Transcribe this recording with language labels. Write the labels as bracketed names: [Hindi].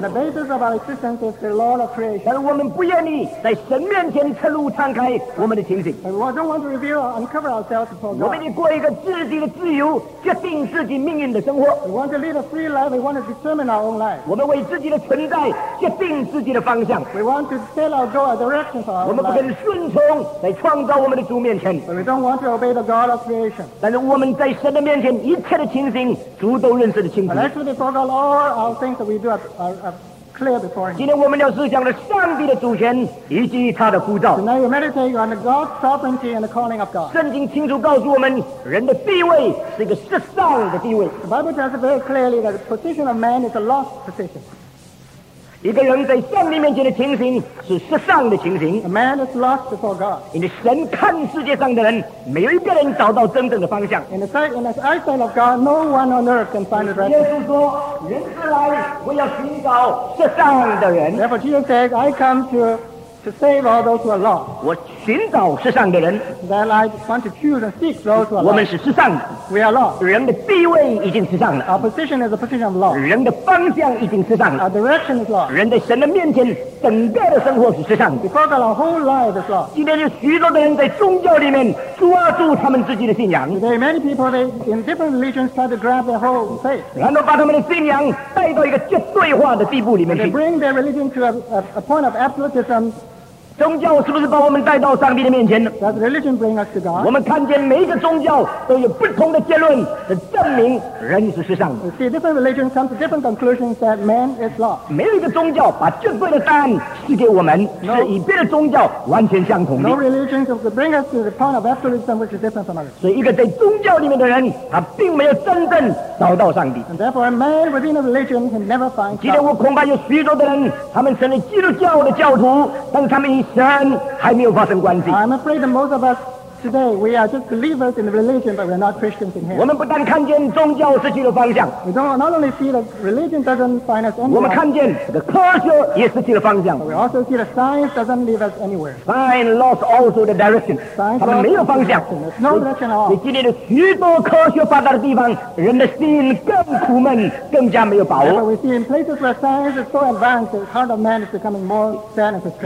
[Chinese] 但是我们不愿意在神面前赤露敞开我们的情形。我们得过一个自己的自由，决定自己命运的生活。我们为自己的存在决定自己的方向。 [English] We want to set our goal and direction for our life. [Chinese] 我们不肯顺从在创造我们的主面前。 [English] But we don't want to obey the God of creation. [Chinese] 但是我们在神的面前一切的情形主都认识得清楚。 [English] And actually before God, all our things that we do are clear before him. [Chinese] 今天我们要思想的上帝的主权以及他的呼召。 [English] So now you meditate on the God's sovereignty and the calling of God. [Chinese] 圣经清楚告诉我们人的地位是一个失丧的地位。 [English] The Bible tells us very clearly that the position of man is a lost position. [Chinese] 一个人在上帝面前的情形是失丧的情形。 [English] A man is lost before God. [Chinese] 因为神看世界上的人，没有一个人找到真正的方向。 [English] In the eyesight of God, no one on earth can find the right. [Chinese] 耶稣说：“人是来，我要寻找失丧的人。” [English] Therefore, Jesus says, "I come to save all those who are lost." [Chinese] 我寻找失丧的人。 [English] Then I want to choose and seek those who are lost. [Chinese] 我们是失丧。 [English] We are lost. [Chinese] 人的地位已经失丧了。 [English] Our position is a position of loss. [Chinese] 人的方向已经失丧了。 [English] Our direction is lost. [Chinese] 人在神的面前整个的生活是失丧的。 [English] Before God, our whole life is lost. [Chinese] 今天有许多的人在宗教里面抓住他们自己的信仰。 [English] Today, many people they in different religions try to grab their whole faith. [Chinese] 然后把他们的信仰带到一个绝对化的地步里面去。 [English] They bring their religion to a point of absolutism. [Chinese] 宗教是不是把我们带到上帝的面前呢？ [English] Does religion bring us to God? [Chinese] 我们看见每一个宗教都有不同的结论，是证明人是世上的。 [English] See, different religions come to different conclusions that man is lost. [Chinese] 没有一个宗教把绝对的答案赐给我们， [English] no, [Chinese] 是与别的宗教完全相同的。 [English] No religion could bring us to the point of absolutism which is different from others. [Chinese] 所以一个在宗教里面的人，他并没有真正找到上帝。 [English] And therefore, a man within a religion can never find God. [Chinese] 今天我恐怕有许多的人，他们成了基督教的教徒，但是他们神还没有发生关系。 [English] I'm afraid that most of us today we are just believers in the religion, but we're not Christians in Him. [Chinese] 我们不但看见宗教失去了方向 [English] ，we don't not only see that religion doesn't find us anywhere. [Chinese] 我们看见 [English] the culture [Chinese] 也失去了方向 [English] ，we also see that science doesn't leave us anywhere. Science lost also the direction. Science [Chinese] 他们没有方向 [English] ，there's no direction at all. [Chinese] 你今天的许多科学发达的地方，人的心更苦闷，更加没有把握。 [English] But we see in places where science is so advanced, the heart of man is becoming more sad and frustrated.